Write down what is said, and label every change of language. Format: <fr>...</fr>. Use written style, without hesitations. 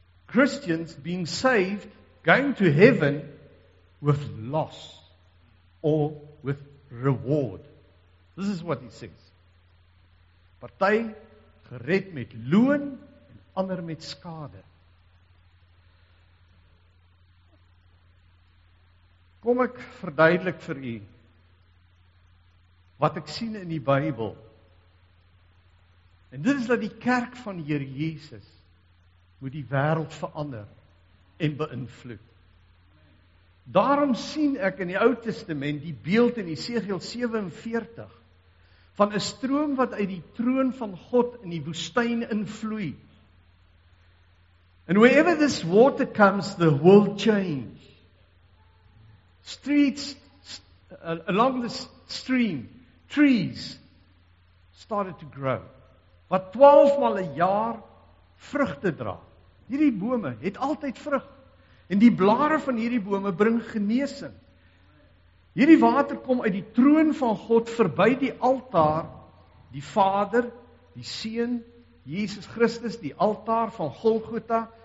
<en>Christians being saved, going to heaven with loss or with reward. This is what he says.</en> <af>Party gered met loon en ander met skade. Kom ek verduidelik vir u wat ek sien in die Bybel. En dit is dat die kerk van die Here Jesus moet die wêreld verander en beïnvloed. Daarom sien ek in die Ou Testament die beeld in Esegiel 47 van 'n stroom wat uit die troon van God in die woestyn invloei.</af> <en>And wherever this water comes, the world changes. Streets along the stream, trees started to grow.</en> <af>Wat 12 maal 'n jaar vrugte dra. Hierdie bome het altyd vrug. En die blare van hierdie bome bring genesing. Hierdie water kom uit die troon van God verby die altaar, die Vader, die Seun, Jesus Christus, die altaar van Golgotha</af>